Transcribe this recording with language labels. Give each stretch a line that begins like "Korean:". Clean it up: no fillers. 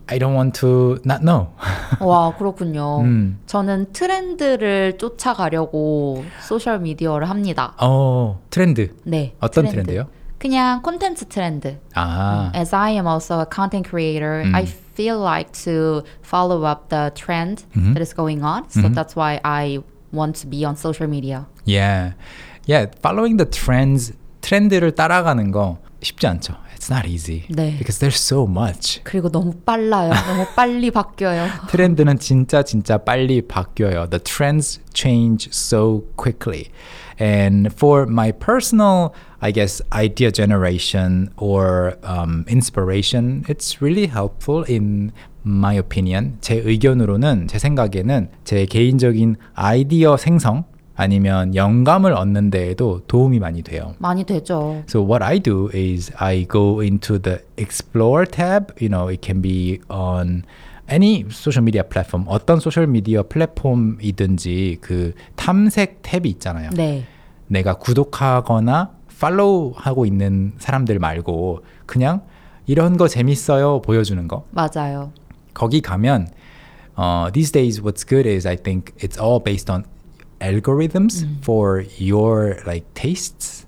English: I don't want to not know.
Korean: 와, 그렇군요. 저는 트렌드를 쫓아가려고 소셜 미디어를 합니다. 트렌드. 네. 어떤 트렌드요? 그냥 콘텐츠 트렌드. 아.
English: As I am also a content creator, I feel like to follow up the trend that is going on. So that's why I want to be on social media. Yeah. Following the trends,
Korean: 트렌드를 따라가는 거 쉽지 않죠.
English: It's not easy.
Korean: 네.
English: Because there's so much.
Korean: 그리고 너무 빨라요. 너무 빨리 바뀌어요. 트렌드는 진짜 진짜 빨리 바뀌어요.
English: The trends change so quickly. And for my personal, I guess, idea generation or inspiration, it's really helpful in my opinion.
Korean: 제 의견으로는, 제 생각에는 제 개인적인 아이디어 생성 아니면 영감을 얻는 데에도 도움이 많이 돼요. 많이 되죠.
English: So what I do is I go into the explore tab. You know, it can be on any social media platform.
Korean: 어떤 소셜 미디어 플랫폼이든지 그 탐색 탭이 있잖아요. 네. 내가 구독하거나 팔로우하고 있는 사람들 말고 그냥 이런 거 재밌어요 보여주는 거. 맞아요. 거기 가면
English: these days what's good is I think it's all based on algorithms for your like tastes